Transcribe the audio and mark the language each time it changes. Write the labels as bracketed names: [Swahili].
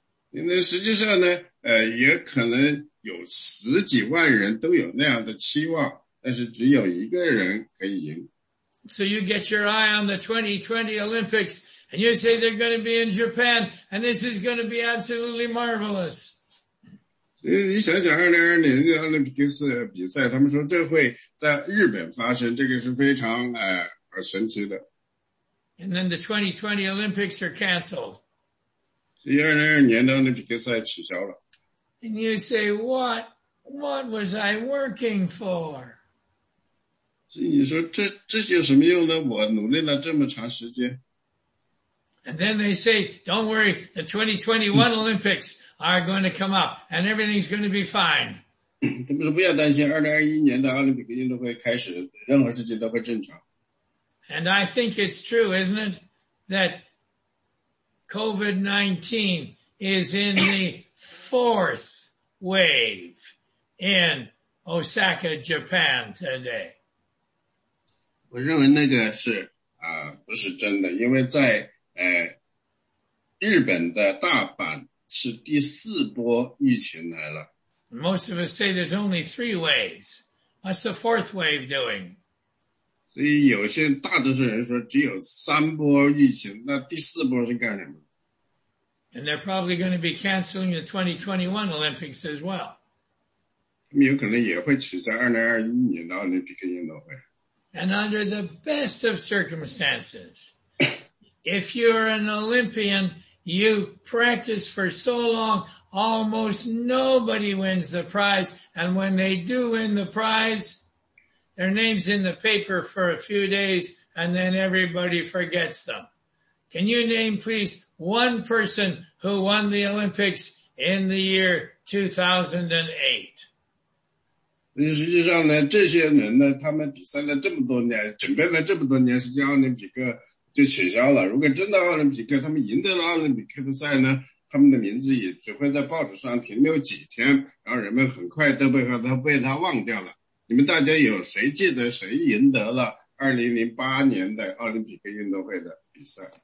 [Chinese] 因为实际上呢，也可能有十几万人都有那样的期望，但是只有一个人可以赢。 [English] So you get your eye on the 2020 Olympics, and you say they're going to be in Japan, and this is going to be absolutely marvelous. [Chinese] 你想想2020的奥林匹克比赛，他们说这会在日本发生，这个是非常神奇的。 [English] And then the 2020 Olympics are canceled. [Chinese] 2022的奥林匹克赛取消了。 [English] And you say, what was I working for? [Chinese] 你说这有什么用呢？我努力了这么长时间。 [English] And then they say, don't worry, the 2021 Olympics are going to come up and everything's going to be fine. [Chinese] 他们说不要担心2021年的奥林匹克运动会开始任何事情都会正常。 [English] And I think it's true, isn't it, that COVID-19 is in the fourth wave in Osaka, Japan today. [Chinese] 我认为那个是不是真的，因为在日本的大阪是第四波疫情来了。 [English] Most of us say there's only 3 waves. What's the fourth wave doing? [Chinese] 所以有些大多数人说只有3波疫情，那第四波是干什么？ [English] And they're probably going to be canceling the 2021 Olympics as well. [Chinese] 他们有可能也会取消2021年的奥林匹克运动会。 [English] And under the best of circumstances, if you're an Olympian, you practice for so long, almost nobody wins the prize. And when they do win the prize, their name's in the paper for a few days, and then everybody forgets them. Can you name, please, one person who won the Olympics in the year 2008? [Chinese] 实际上呢，这些人呢，他们比赛了这么多年，准备了这么多年，实际奥林匹克就取消了。如果真的奥林匹克，他们赢得了奥林匹克的赛呢，他们的名字也只会在报纸上停留几天，然后人们很快都被他忘掉了。你们大家有谁记得谁赢得了2008年的奥林匹克运动会的比赛